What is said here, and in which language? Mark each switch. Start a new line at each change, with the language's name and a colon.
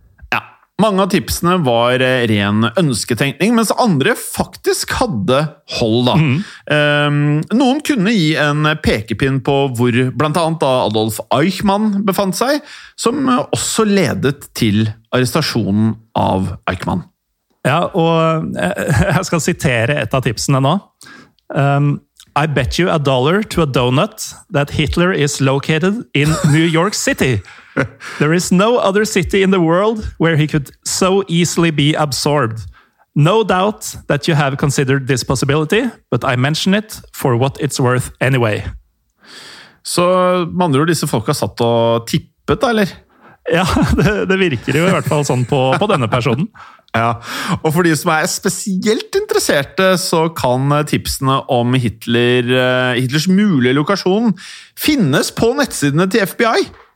Norwegian: Ja, mange av tipsene var ren ønsketenkning, mens andre faktisk hadde hold da. Noen kunne gi en pekepinn på hvor blant annet da Adolf Eichmann befant seg, som også ledet til arrestasjonen av Eichmann. Ja, og jeg skal sitere et av tipsene nå.
English: I bet you a dollar to a donut that Hitler is located in New York City. There is no other city in the world where he could so easily be absorbed. No doubt that you have considered this possibility, but I mention it for what it's worth anyway.
Norwegian: Så man tror disse folk har satt og tippet, eller? Ja, det virker jo i hvert fall sånn på denne personen. Ja, og for de som er spesielt interesserte, så kan tipsene om Hitlers mulige lokasjon finnes på nettsidene til FBI.